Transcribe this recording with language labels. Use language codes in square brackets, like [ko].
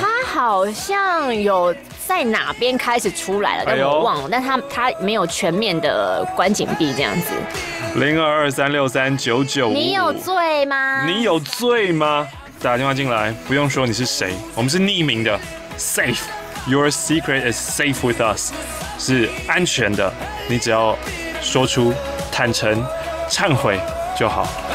[zh] 他好像有在哪边开始出来了，但我忘了，哎、但他没有全面的关紧闭这样子。 0223639955，你有罪吗？你有罪吗？打电话进来，不用说你是谁，我们是匿名的 ，Safe。 [en] Your secret is safe with us， [zh] 是安全的。你只要说出坦诚、忏悔就好。